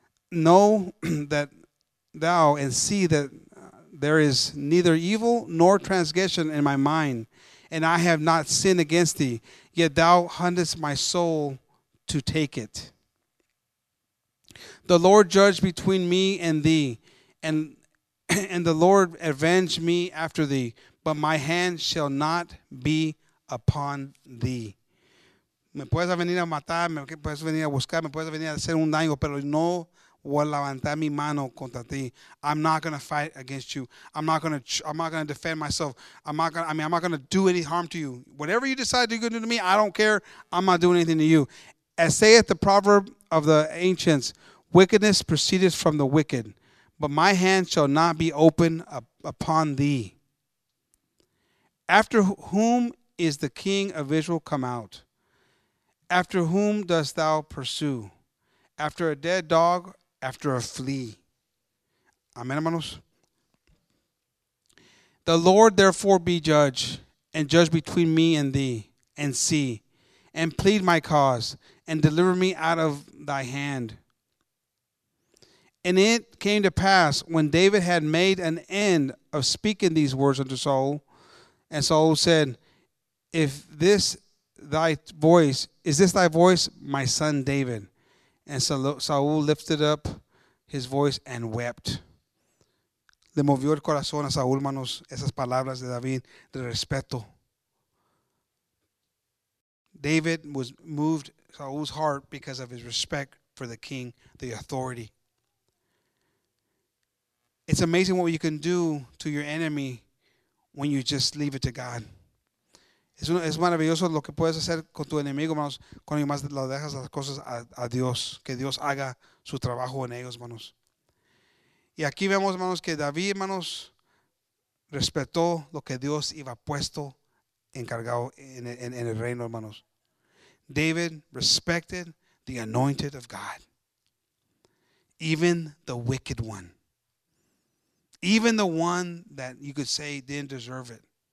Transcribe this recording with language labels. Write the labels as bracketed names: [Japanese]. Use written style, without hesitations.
[English] Know that thou and see that there is neither evil nor transgression in my mind, and I have not sinned against thee, yet thou huntest my soul to take it. The Lord judge between me and thee, and the Lord avenge me after thee. but my hand shall not be upon thee. [Spanish] Me puedes venir a matar, me puedes venir a buscar, me puedes venir a hacer un daño, pero no voy a levantar mi mano contra ti. [English] I'm not going to fight against you. I'm not going to defend myself. I'm not going to do any harm to you. Whatever you decide to do to me, I don't care. I'm not doing anything to you. As saith the proverb of the ancients, wickedness proceedeth from the wicked, but my hand shall not be open upon thee. After whom is the king of Israel come out? After whom dost thou pursue? After a dead dog, after a flea. [Spanish] Amen, hermanos. [English] The Lord therefore be judge, and judge between me and thee, and see, and plead my cause, and deliver me out of thy hand. And it came to pass, when David had made an end of speaking these words unto Saul, and Saul said, Is this thy voice, my son David? And Saul lifted up his voice and wept. [Spanish] Le movió el corazón a Saúl, hermanos, esas palabras de David de respeto. [English] David was moved Saul's heart because of his respect for the king, the authority. It's amazing what you can do to your enemy when you just leave it to God. [Spanish] Es maravilloso lo que puedes hacer con tu enemigo, hermanos, cuando además lo dejas las cosas a Dios, que Dios haga su trabajo en ellos, hermanos. Y aquí vemos, hermanos, que David, hermanos, respetó lo que Dios iba puesto encargado en el reino, hermanos. [English] David respected the anointed of God, even the wicked one, even the one that you could say didn't deserve it.